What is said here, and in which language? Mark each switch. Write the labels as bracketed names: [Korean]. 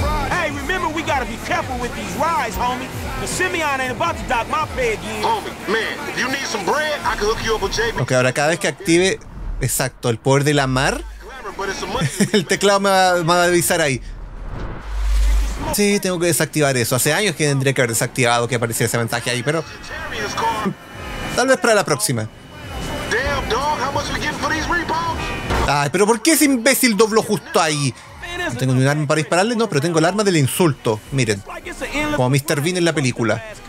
[English] Hey, remember we gotta be careful with these rides, homie. The Simeon ain't about to dock my pay again. Homie, man, if you need some bread, I can hook you up with JB. [Spanish] Okay, ahora cada vez que active, exacto, el poder de la mar, el teclado me va a avisar ahí. Sí, tengo que desactivar eso. Hace años que tendría que haber desactivado que apareciera ese mensaje ahí, pero tal vez para la próxima. [English] Damn, dog, how much we getting for these repos? [Spanish] Ay, pero ¿por qué ese imbécil dobló justo ahí? No tengo ni un arma para dispararle, no, pero tengo el arma del insulto. Miren, como Mr. Bean en la película.